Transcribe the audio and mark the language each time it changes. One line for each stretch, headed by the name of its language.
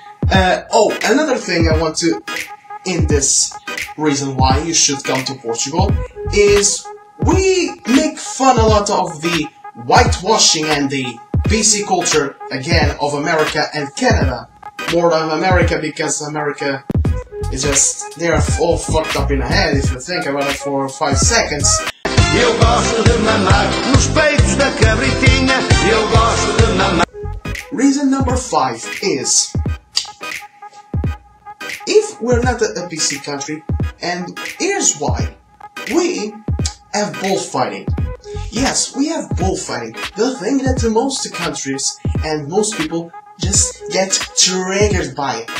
English: Another thing I want to, in this reason why you should come to Portugal, is we make fun a lot of the whitewashing and the PC culture, again, of America and Canada. More of America, because America is just, they are all fucked up in the head, if you think about it for 5 seconds.
Portuguese: Eu gosto de mamar nos peitos da cabritinha. Eu gosto de mamar.
English: Reason number 5 is, if we're not a PC country, and here's why, we have bullfighting. Yes, we have bullfighting. The thing that most countries and most people just get triggered by.